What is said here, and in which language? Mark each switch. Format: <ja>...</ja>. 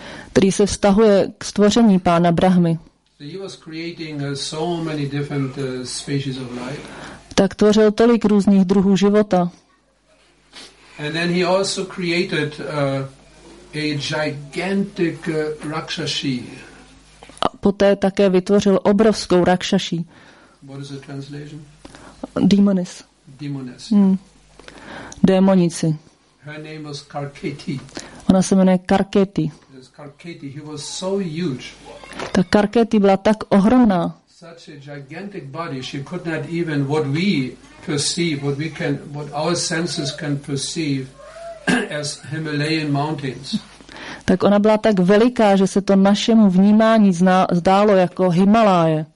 <cs>který se vztahuje k stvoření pána Brahmy.</cs> <en>He was creating so many different species of life.</en> <cs>Tak tvořil tolik různých druhů života.</cs> <en>And then he also created a gigantic rakshasi.</en> <cs>A poté také vytvořil obrovskou rakshasi.</cs> <en>What is the translation? Demoness. Demoness.</en> <cs>Démonici.</cs> <en>Her name was Karketi.</en> <cs>Ona se jmenuje Karketi.</cs> <en>Yes, Karketi. He was so huge.</en> <cs>Ta Karketi byla tak ohromná.</cs> <en>Such a gigantic body, she could not even what we perceive, what we can, what our senses can perceive as Himalayan mountains.</en> <cs>Tak ona byla tak veliká, že se to našemu vnímání zdálo jako Himaláje.</cs>